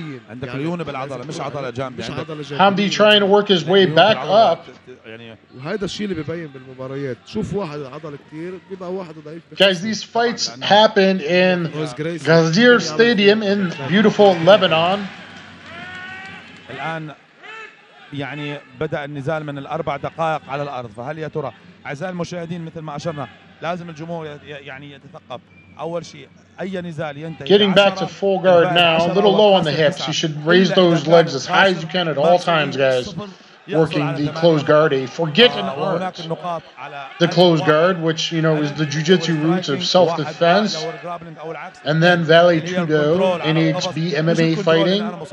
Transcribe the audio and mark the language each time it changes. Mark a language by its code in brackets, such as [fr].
[ar] عندك ليونة بالعضلة مش عضلة جامدة. [en] Hamdi trying to work his way back up. [ar] وهذا الشيء اللي ببين بالمباريات. شوف واحد عضل كتير بيبقى واحد ضعيف. [en] Guys, these fights happened in Ghazir Stadium in beautiful Lebanon. [ar] الآن يعني بدأ النزال من الأربع دقائق على الأرض. فهل يا ترى أعزائي المشاهدين مثل ما أشرنا لازم الجمهور يعني يتثقب اول شيء اي نزال ينتهي [en] getting back to full guard now a little low on the hips you should raise those legs as high as you can at all times guys working the closed guard a forgotten art the closed guard which you know is the jiu-jitsu roots of self-defense and then valet judo NHB MMA fighting